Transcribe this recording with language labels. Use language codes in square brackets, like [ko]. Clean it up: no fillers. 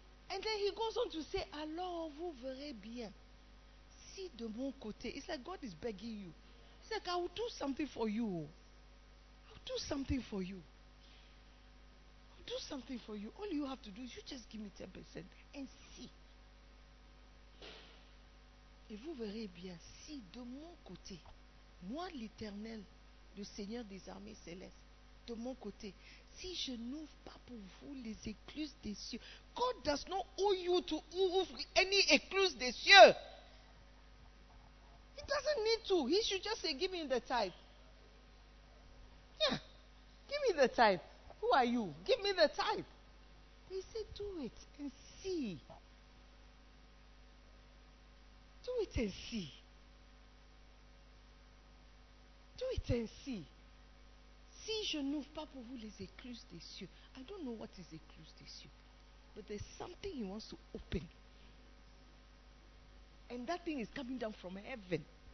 [en] And then he goes on to say, [fr] alors vous verrez bien si de mon côté. [en] It's like God is begging you. It's like, I will do something for you. I'll do something for you. I'll do something for you. All you have to do is you just give me 10% and see. [fr] Et vous verrez bien si de mon côté, moi l'Éternel, le Seigneur des armées célestes, de mon côté, si je n'ouvre pas pour vous les écluses des cieux. [en] God does not owe you to ouvre any [fr] écluses des cieux. [en] He doesn't need to. He should just say, give me the tithe. Yeah, give me the tithe. Who are you? Give me the tithe. He said, do it and see. Do it and see. Do it and see. [fr] Si je n'ouvre pas pour vous les écluses des cieux. [en] I don't know what is [fr] écluses des cieux. [en] But there's something he wants to open. And that thing is coming down from heaven.